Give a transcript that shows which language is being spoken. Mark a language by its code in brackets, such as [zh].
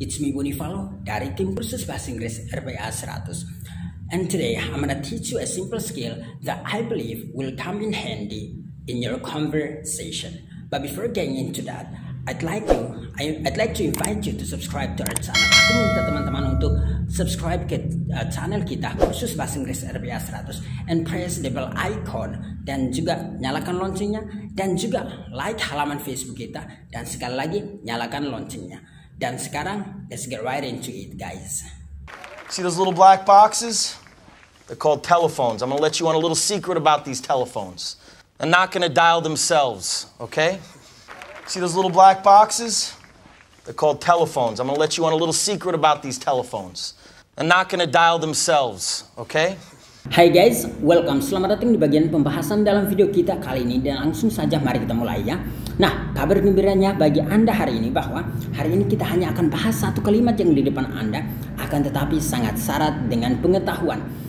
[en] It's me [id] Bonifalo dari tim kursus bahasa Inggris RPA 100. [en] And today I'm gonna teach you a simple skill that I believe will come in handy in your conversation. But before getting into that, I'd like to invite you to subscribe to our channel. [id] Aku minta teman-teman untuk subscribe ke channel kita kursus bahasa Inggris RPA 100 [en] and press the bell icon [id] dan juga nyalakan loncengnya dan juga like halaman Facebook kita dan sekali lagi nyalakan loncengnya. Dan sekarang [en] let's get right into it guys. See those little black boxes? They're called telephones. I'm gonna let you on a little secret about these telephones. They're not gonna dial themselves, okay? See those little black boxes? They're called telephones. I'm gonna let you on a little secret about these telephones. They're not gonna dial themselves, okay? Hi guys, welcome. [id] Selamat datang di bagian pembahasan dalam video kita kali ini dan langsung saja mari kita mulai ya. Nah, kabar gembiranya bagi Anda hari ini bahwa hari ini kita hanya akan bahas satu kalimat yang di depan Anda, akan tetapi sangat syarat dengan pengetahuan.